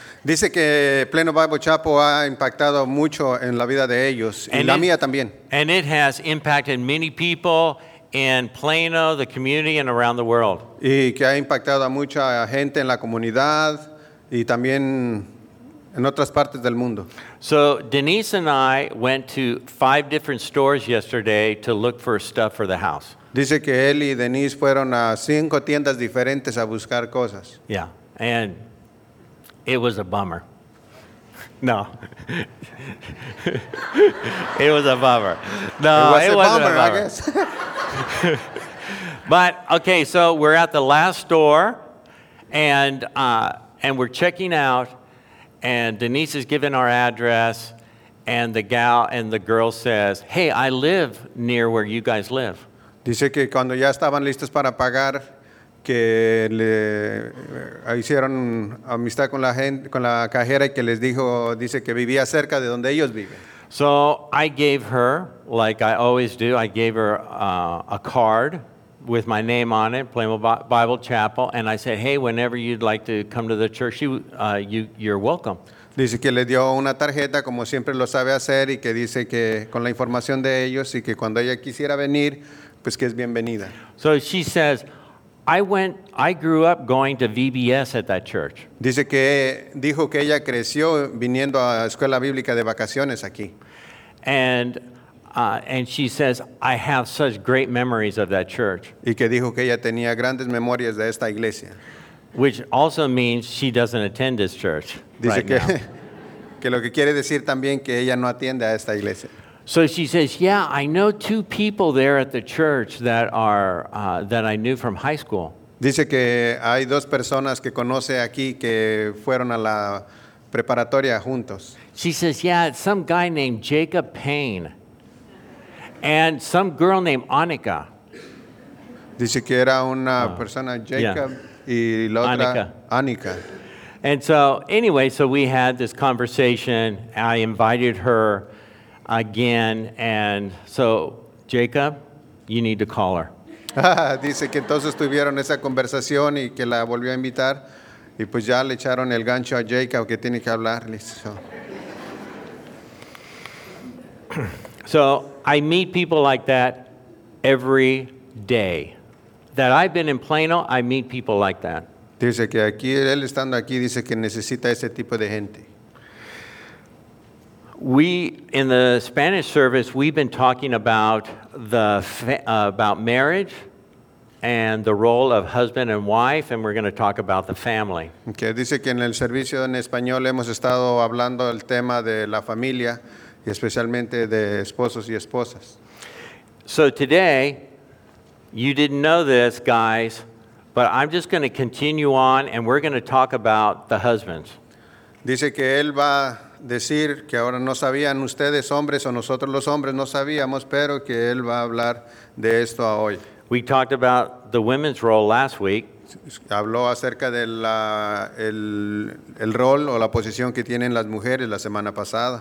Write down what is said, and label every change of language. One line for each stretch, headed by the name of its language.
Spanish: Dice que Plano Bible Chapel ha impactado mucho en la vida de ellos
English: and
Spanish: y la mía también.
English: And it has impacted many people in Plano, the community, and around the world.
Spanish: Y que ha impactado a mucha gente en la comunidad y también en otras partes del mundo.
English: So Denise and I went to 5 different stores yesterday to look for stuff for the house.
Spanish: Dice que él y Denise fueron a 5 tiendas diferentes a buscar cosas.
English: Yeah, and it was a bummer. No. It was a bummer. No, it was a bummer, I guess. But okay, so we're at the last store and we're checking out. And Denise is given our address, and the gal and the girl says, "Hey, I live near where you guys live."
Spanish: Dice que cuando ya estaban listos para pagar, que le hicieron amistad con la gente, con la cajera, y que les dijo, dice que vivía cerca de donde ellos viven.
English: So I gave her, like I always do, I gave her a card with my name on it, Plano Bible Chapel, and I said, "Hey, whenever you'd like to come to the church, you're welcome."
Spanish: Dice que le dio una tarjeta como siempre lo sabe hacer y que dice que con la información de ellos y que cuando ella quisiera venir, pues que es bienvenida.
English: So she says, I grew up going to VBS at that church."
Spanish: Dice que dijo que ella creció viniendo a escuela bíblica de vacaciones aquí.
English: And she says, "I have such great memories of that church."
Spanish: Y que dijo que ella tenía grandes memorias de esta iglesia.
English: Which also means she doesn't attend this church.
Spanish: Dice
English: right
Spanish: que,
English: now.
Spanish: Que lo que quiere decir también que ella no atiende a esta iglesia.
English: So she says, "Yeah, I know 2 people there at the church that are that I knew from high school."
Spanish: Dice que hay 2 personas que conoce aquí que fueron a la preparatoria juntos.
English: She says, "Yeah, it's some guy named Jacob Payne. And some girl named Annika."
Spanish: Dice que era una persona, Jacob, yeah. Y la otra, Annika.
English: And so, anyway, so we had this conversation. I invited her again. And so, Jacob, you need to call her.
Spanish: Dice que entonces tuvieron esa conversación y que la volvió a invitar. Y pues ya le echaron el gancho a Jacob que tiene que hablarle.
English: So... So I meet people like that every day. That I've been in Plano, I meet people like that.
Spanish: Dice que aquí, él estando aquí, dice que necesita ese tipo de gente.
English: We, in the Spanish service, we've been talking about marriage and the role of husband and wife, and we're going to talk about the family.
Spanish: Okay, dice que en el servicio en español hemos estado hablando el tema de la familia, y especialmente de esposos y esposas.
English: So today, you didn't know this, guys, but I'm just going to continue on, and we're going to talk about the husbands.
Spanish: Dice que él va a decir que ahora no sabían ustedes, hombres, o nosotros los hombres no sabíamos, pero que él va a hablar de esto hoy.
English: We talked about the women's role last week.
Spanish: Habló acerca de la, el rol o la posición que tienen las mujeres la semana pasada.